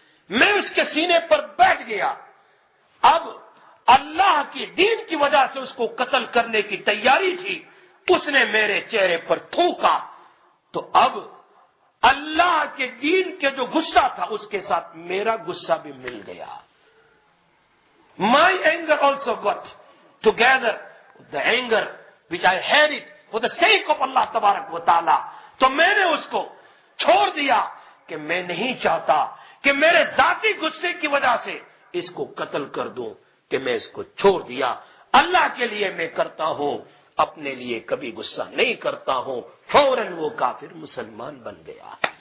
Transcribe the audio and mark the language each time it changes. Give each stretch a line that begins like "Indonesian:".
Urdu: میں اس کے سینے پر بیٹھ گیا, اب اللہ کی دین کی وجہ سے اس کو قتل کرنے کی تیاری تھی, اس نے میرے چہرے پر تھوکا تو اب اللہ کے دین کے جو غصہ تھا اس کے ساتھ میرا غصہ بھی مل گیا.
English: My anger also got together with the anger which I had it for the sake of Allah تبارک و تعالی.
Urdu: تو میں نے اس کو چھوڑ دیا کہ میں نہیں چاہتا کہ میرے ذاتی غصے کی وجہ سے اس کو قتل کر دوں, کہ میں اس کو چھوڑ دیا. اللہ کے لیے میں کرتا ہوں, اپنے لیے کبھی غصہ نہیں کرتا ہوں. فوراً وہ کافر مسلمان بن گیا.